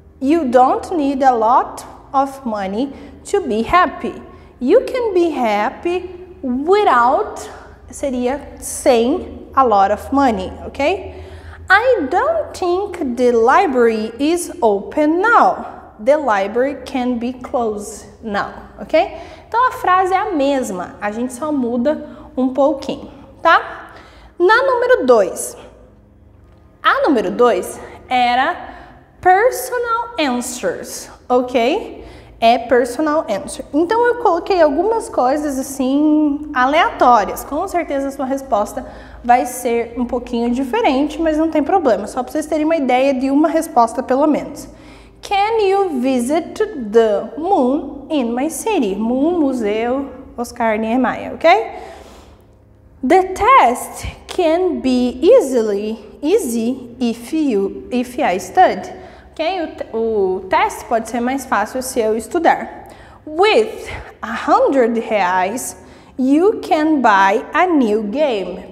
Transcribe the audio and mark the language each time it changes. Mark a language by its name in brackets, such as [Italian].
[English] You don't need a lot of money to be happy. You can be happy without, [Portuguese] seria sem, [English] a lot of money, ok? I don't think the library is open now. The library can be closed now, ok? [Portuguese] Então a frase é a mesma, a gente só muda um pouquinho, tá? Na número 2. A número 2 era personal answers, ok? É personal answer. Então eu coloquei algumas coisas assim aleatórias. Com certeza a sua resposta vai ser um pouquinho diferente, mas não tem problema. Só para vocês terem uma ideia de uma resposta pelo menos. [English] Can you visit the moon in my city? Moon, [Portuguese] museu, [English] Oscar Niemeyer, ok? The test can be easy if I study, ok? [Portuguese] O teste pode ser mais fácil se eu estudar. [English] With R$100, you can buy a new game.